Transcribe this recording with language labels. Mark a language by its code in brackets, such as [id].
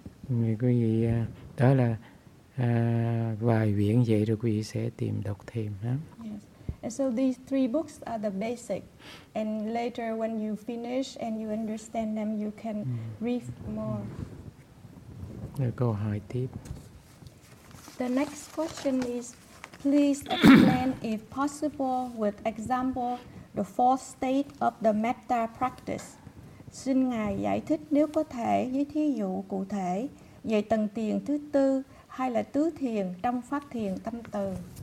[vi] Quý vị đó là vài quyển vậy rồi quý vị sẽ tìm đọc thêm ha. [en] And so these three books are the basic, and later when you finish and you understand them, you can read more. [vi] Câu hỏi tiếp. [en] The next question is, please explain if possible with example the fourth state of the metta practice. [vi] Xin ngài giải thích nếu có thể với thí dụ cụ thể về tầng thiền thứ tư hay là tứ thiền trong pháp thiền tâm từ.